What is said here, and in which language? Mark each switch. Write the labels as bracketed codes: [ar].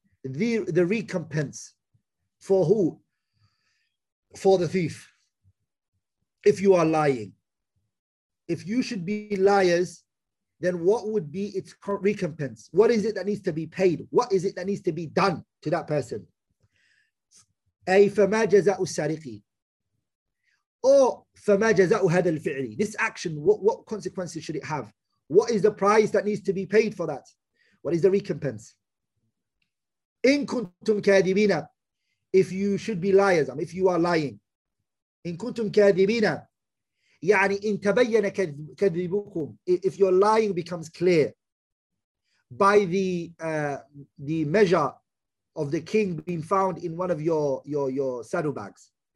[en] The recompense for who? For the thief. If you are lying, if you should be liars, then what would be its recompense? What is it that needs to be paid? What is it that needs to be done to that person? [ar] أي فما جزاء السارقي or فما جزاء هذا الفعل. [en] This action, what consequences should it have? What is the price that needs to be paid for that? What is the recompense? [ar] إِن كُنْتُمْ كَاذِبِينَ, [en] if you should be liars, I mean, if you are lying. [ar] إِن كُنْتُمْ كَاذِبِينَ, يعني إِن تَبَيَّنَ كَذِبُكُمْ, [en] if your lying becomes clear by the measure of the king being found in one of your saddlebags.